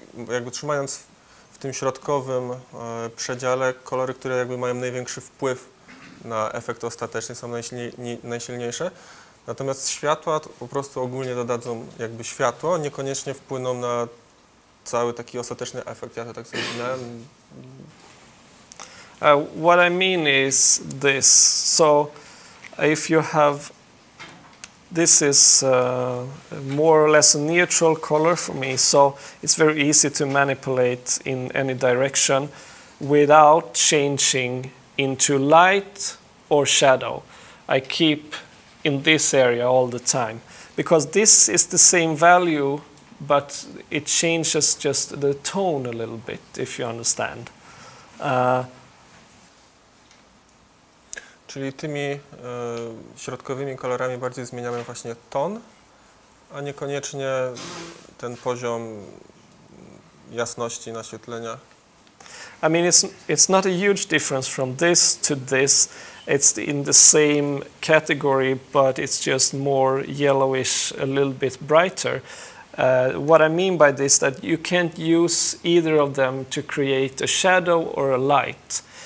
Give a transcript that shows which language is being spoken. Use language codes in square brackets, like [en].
[pl] Jakby trzymając w tym środkowym przedziale kolory, które jakby mają największy wpływ na efekt ostateczny, są najsilniejsze. Natomiast światła po prostu ogólnie dodadzą jakby światło, niekoniecznie wpłyną na cały taki ostateczny efekt. Ja to tak sobie myślałem. [en] What I mean is this. So if you have, this is more or less a neutral color for me, so it's very easy to manipulate in any direction without changing into light or shadow. I keep in this area all the time because this is the same value, but it changes just the tone a little bit, if you understand. [pl] Czyli tymi środkowymi kolorami bardziej zmieniamy właśnie ton, a niekoniecznie ten poziom jasności naświetlenia. [en] I mean, it's not a huge difference from this to this. It's in the same category, but it's just more yellowish, a little bit brighter. What I mean by this is that you can't use either of them to create a shadow or a light.